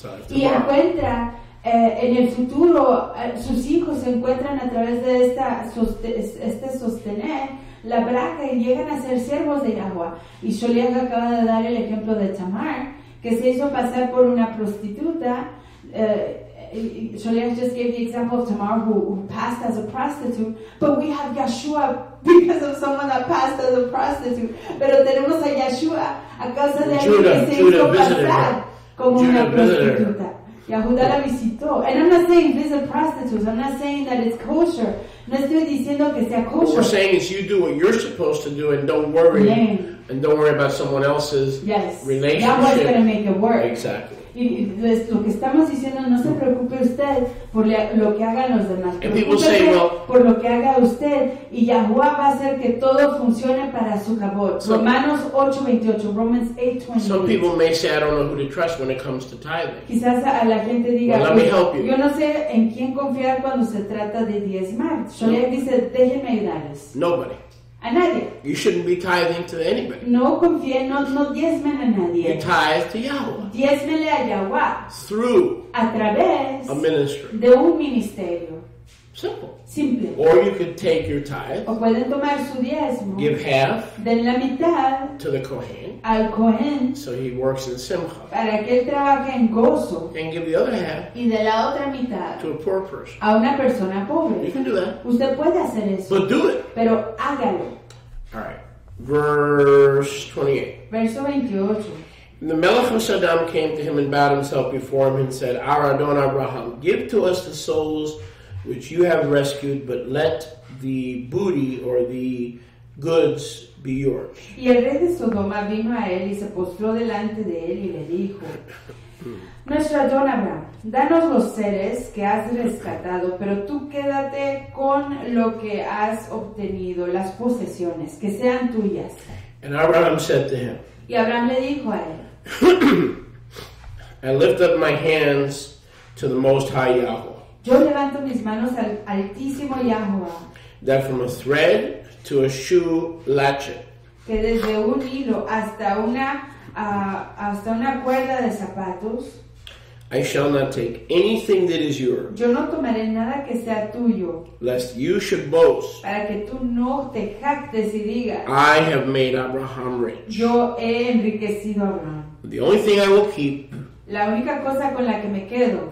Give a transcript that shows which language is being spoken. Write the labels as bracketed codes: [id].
[es] Y encuentra en el futuro sus hijos se encuentran a través de esta este sostener la braca y llegan a ser siervos de Yahweh. Y Sholiah acaba de dar el ejemplo de Tamar, que se hizo pasar por una prostituta. [en] Sholiah just gave the example of Tamar who passed as a prostitute, but we have Yeshua because of someone that passed as a prostitute. [es] Pero tenemos a Yeshua a causa de alguien que se hizo pasar como una prostituta. Yahuda la visitó. [en] And I'm not saying visit prostitutes. I'm not saying that it's kosher. [es] No estoy diciendo que sea kosher. [en] What we're saying is you do what you're supposed to do and don't worry. Yeah. And don't worry about someone else's relationship. Yahuda's going to make it work. Exactly. [es] Y lo que estamos diciendo, no se preocupe usted por lo que hagan los demás. [en] And people say, well, [es] por lo que haga usted. Y Yahuda va a hacer que todo funcione para su favor. Romanos 8:28. Romans 8:28. [en] Some people may say, I don't know who to trust when it comes to tithing. [es] Quizás a la gente diga, [en] well, let me help you. [es] Yo no sé en quién confiar cuando se trata de diezmar. Sholiah dice, déjeme ayudarles. [en] Nobody. [es] A nadie. [en] You shouldn't be tithing to anybody. [es] No confíe, no diezmen a nadie. [en] You tithe to Yahweh. [es] Diezmele a Yahweh. [en] Through. [es] A través. [en] A ministry. [es] De un ministerio. [en] Simple. [es] Simple. [en] Or you could take your tithe. [es] O pueden tomar su diezmo. [en] Give half. [es] Den la mitad. [en] To the Kohen. [es] Al Kohen. [en] So he works in Simcha. [es] Para que él trabaje en gozo. [en] And give the other half. [es] Y de la otra mitad. [en] To a poor person. [es] A una persona pobre. [en] You can do that. [es] Usted puede hacer eso. [en] But do it. [es] Pero hágalo. [en] Alright. Verse 28. [es] Verso 28. [en] The Melech of Saddam came to him and bowed himself before him and said, Our Adon Abraham, give to us the souls which you have rescued, but let the booty or the goods be yours. [es] Y el rey de Sodoma vino a él y se postró delante de él y le dijo, Nuestro Adon Abraham, danos los seres que has rescatado, pero tú quédate con lo que has obtenido, las posesiones, que sean tuyas. [en] And Abraham said to him, [es] y Abraham le dijo a él, [en] I lift up my hands to the Most High Yahweh. [es] Yo levanto mis manos al Altísimo Yahuwah. [en] That from a thread to a shoe latchet. [es] Que desde un hilo hasta una cuerda de zapatos. [en] I shall not take anything that is yours. [es] Yo no tomaré nada que sea tuyo. [en] Lest you should boast. [es] Para que tú no te jactes y digas. [en] I have made Abraham rich. [es] Yo he enriquecido a Abraham. [en] The only thing I will keep. [es] La única cosa con la que me quedo.